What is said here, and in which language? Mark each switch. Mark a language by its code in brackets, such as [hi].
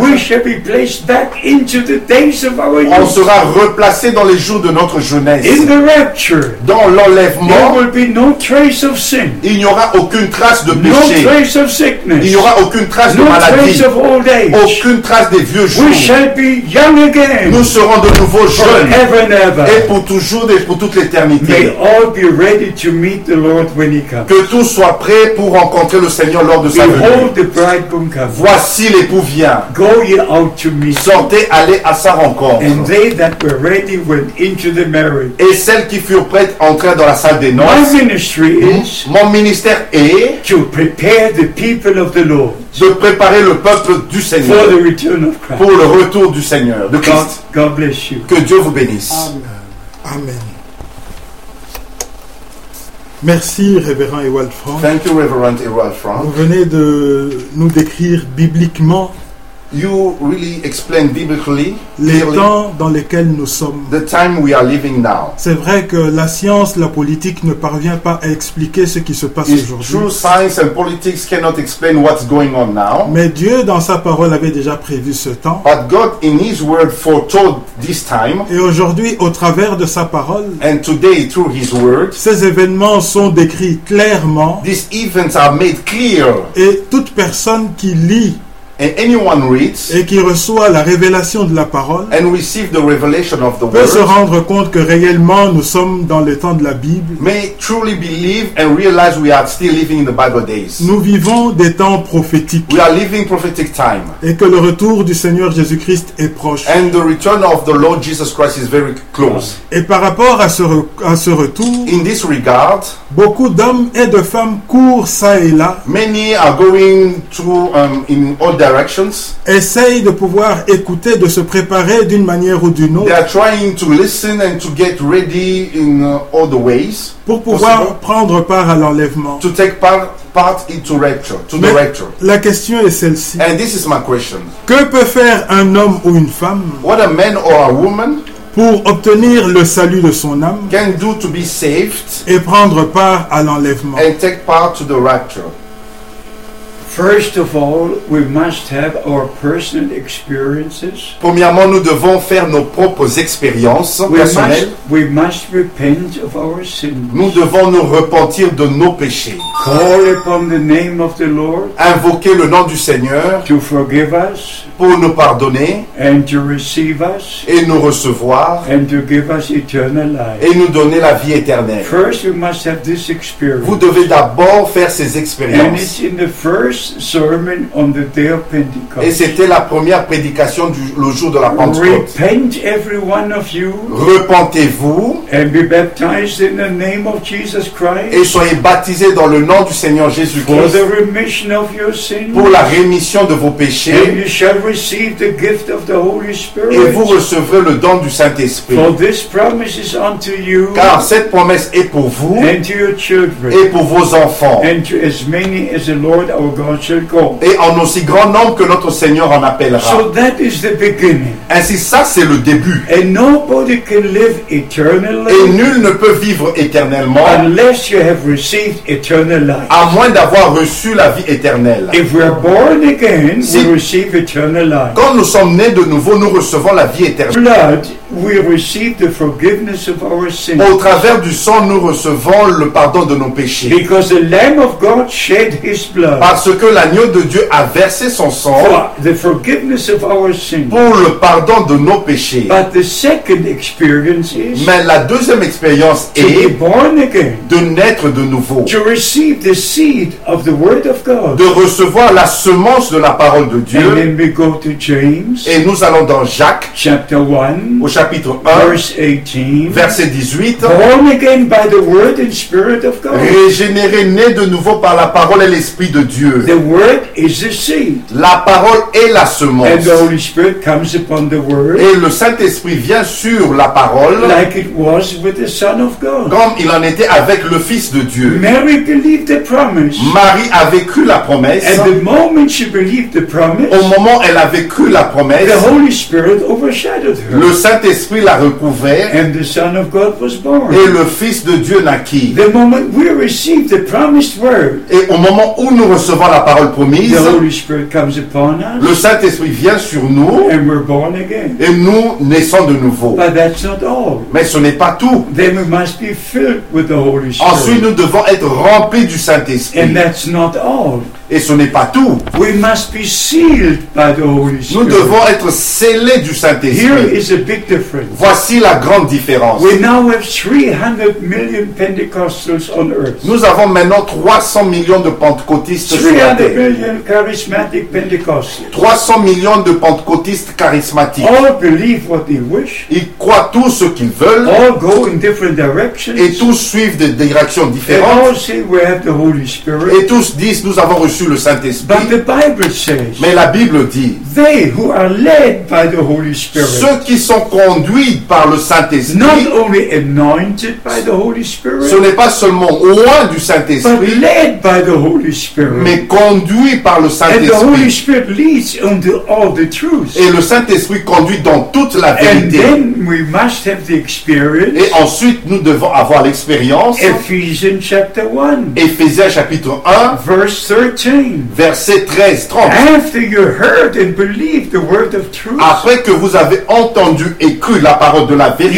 [en] We shall be placed back into the days of our youth. [fr] On sera replacé dans les jours de notre jeunesse. [en] In the rapture. [fr] Dans l'enlèvement. [en] There will be no trace of sin. [fr] Il n'y aura aucune trace de péché. [en] No trace of sickness. [fr] Il n'y aura aucune trace [en] no [fr] de maladie. [en] No trace of old age. [fr] Aucune trace des vieux jours. [en] We shall be young again. [fr] Nous serons de nouveau jeunes. [en] Forever and ever. [fr] Et pour toujours et pour toute l'éternité. [en] Be ready to meet the Lord when he comes. [fr] Que tout soit prêt pour rencontrer le Seigneur lors de sa venue. [en] Behold the bridegroom comes. [fr] Voici l'époux vient. [en] Go ye out to meet. [fr] Sortez, allez à sa rencontre. [en] And they that were ready went into the marriage. [fr] Et celles qui furent prêtes entrèrent dans la salle des noces. [en] My ministry is. [fr] Mon ministère est. [en] To prepare the people of the Lord. [fr] De préparer le peuple du Seigneur. [en] For the return of Christ. [fr] Pour le retour du Seigneur, de Christ. [en] God bless you. [fr] Que Dieu vous bénisse. [en] Amen. Amen. [fr] Merci, Révérend Ewald Frank. [en] Thank you, Reverend Ewald Frank. [fr] Vous venez de nous décrire bibliquement [en] you really explain biblically, [fr] les temps dans lesquels nous sommes. [en] The time we are living now. [fr] C'est vrai que la science, la politique ne parvient pas à expliquer ce qui se passe aujourd'hui. [en] True science and politics cannot explain what's going on now. [fr] Mais Dieu, dans sa parole, avait déjà prévu ce temps. [en] But God, in his word, foretold this time. [fr] Et aujourd'hui, au travers de sa parole, [en] and today, through his word, [fr] ces événements sont décrits clairement. [en] These events are made clear. [fr] Et toute personne qui lit [en] and anyone reads, [fr] et qui reçoit la révélation de la parole, [en] and receive the revelation of the [fr] peut [en] word, [fr] se rendre compte que réellement nous sommes dans le temps de la Bible. [en] May truly believe and realize we are still living in the Bible days. [fr] Nous vivons des temps prophétiques. [en] We are living prophetic time. [fr] Et que le retour du Seigneur Jésus-Christ est proche. [en] And the return of the Lord Jesus Christ is very close. [fr] Et par rapport à ce retour, [en] in this regard, [fr] beaucoup d'hommes et de femmes courent ça et là. [en] Many are going to in all directions. [fr] Essaye de pouvoir écouter, de se préparer d'une manière ou d'une autre. [en] They are trying to listen and to get ready in all the ways. [fr] Pour pouvoir prendre part à l'enlèvement. [en] To take part into rapture, to the rapture. [fr] La question est celle-ci. [en] And this is my question. [fr] Que peut faire un homme ou une femme? [en] What a man or a woman? [fr] Pour obtenir le salut de son âme. [en] Can do to be saved. [fr] Et prendre part à l'enlèvement. [en] And take part to the rapture. First of all, we must have our personal experiences. [fr] Premièrement, nous devons faire nos propres expériences personnelles. [en] We must repent of our sins. [fr] Nous devons nous repentir de nos péchés. [en] Call upon the name of the Lord. [fr] Invoquer le nom du Seigneur. [en] To forgive us. [fr] Pour nous pardonner. [en] And to receive us. [fr] Et nous recevoir. [en] And to give us eternal life. [fr] Et nous donner la vie éternelle. [en] First, we must have this experience. [fr] Vous devez d'abord faire ces expériences. [en] And it's in the first first sermon on the day of Pentecost. [fr] Et c'était la première prédication du le jour de la Pentecôte. [en] Repent every one of you. [fr] Repentez-vous. [en] And be baptized in the name of Jesus Christ. [fr] Et soyez baptisés dans le nom du Seigneur Jésus Christ. [en] For the remission of your sins. [fr] Pour la rémission de vos péchés. [en] And you shall receive the gift of the Holy Spirit. [fr] Et vous recevrez le don du Saint-Esprit. [en] For this promise is unto you. [fr] Car cette promesse est pour vous. [en] And to your children. [fr] Et pour vos enfants. [en] And to as many as the Lord our God shall call. [fr] Et en aussi grand nombre que notre Seigneur en appellera. [en] So that is the beginning. [fr] Ainsi, ça, c'est le début. [en] And nobody can live eternally. [fr] Et nul ne peut vivre éternellement. [en] Unless you have received eternal life. [fr] À moins d'avoir reçu la vie éternelle. [en] If we are born again, si we receive eternal life. [fr] Quand nous sommes nés de nouveau, nous recevons la vie éternelle. [en] Blood, we receive the forgiveness of our sins. [fr] Au travers du sang, nous recevons le pardon de nos péchés. [en] Because the Lamb of God shed his blood. [fr] Parce que l'agneau de Dieu a versé son sang [en] for the forgiveness of our sins. [fr] Pour le pardon de nos péchés. [en] But the second experience is. [fr] Mais la deuxième expérience est [en] to be born again. [fr] De naître de nouveau. [en] To receive the seed of the word of God. [fr] De recevoir la semence de la parole de Dieu. [en] And then we go to James. [fr] Et nous allons dans Jacques [en] chapter 1. [fr] Au chapitre 1, verset 18. [en] Born again by the word and spirit of God. [fr] Régénéré, né de nouveau par la parole et l'esprit de Dieu. [en] The word is the seed. [fr] La parole est la semence. [en] And the Holy Spirit comes upon the word. [fr] Et le Saint-Esprit vient sur la parole. [en] Like it was with the Son of God. [fr] Comme il en était avec le Fils de Dieu. [en] Mary believed the promise. [fr] Marie a vécu la promesse. [en] And the moment she believed the promise. [fr] Au moment où elle a vécu la promesse. [en] The Holy Spirit overshadowed her. [fr] Le Saint-Esprit l'a recouvert. [en] And the Son of God was born. [fr] Et le Fils de Dieu naquit. [en] The moment we received the promised word. [fr] Et au moment où nous recevons la parole promise. [en] The Holy Spirit comes upon us. [fr] Le Saint-Esprit vient sur nous. [en] And we're born again. [fr] Et nous naissons de nouveau. [en] But that's not all. [fr] Mais ce n'est pas tout. [en] Then we must be filled with the Holy Spirit. [fr] Ensuite, nous devons être remplis du Saint-Esprit. [en] And that's not all. [fr] Et ce n'est pas tout. [en] We must be sealed by the Holy Spirit. [fr] Nous devons être scellés du Saint-Esprit. [en] Here is a big difference. [fr] Voici la grande différence. [en] We now have 300 million Pentecostals on earth. [fr] Nous avons maintenant 300 millions de pentecôtistes sur la terre. [en] 300 million charismatic Pentecostals. [fr] 300 millions de pentecôtistes charismatiques. [en] All believe what they wish. [fr] Ils croient tout ce qu'ils veulent. [en] All go in different directions. [fr] Et tous suivent des directions différentes. [en] All say we have the Holy Spirit. [fr] Et tous disent nous avons reçu le Saint-Esprit. [en] But the Bible says. [fr] Mais la Bible dit. [en] They who are led by the Holy Spirit. [fr] Ceux qui sont conduits par le Saint-Esprit. [en] Not only anointed by the Holy Spirit. [fr] Ce n'est pas seulement oint du Saint-Esprit. [en] But led by the Holy Spirit. [fr] Mais conduits par le Saint-Esprit. [en] And the Holy Spirit leads unto all the truth. [fr] Et le Saint-Esprit conduit dans toute la vérité. [en] And then we must have the experience. [fr] Et ensuite nous devons avoir l'expérience. [en] Ephesians chapter 1. [fr] Ephésiens chapitre 1. [en] Verse 13. [fr] Verset 13, 30. [en] After you heard and believed the word of truth. [fr] Après que vous avez entendu et cru la parole de la vérité.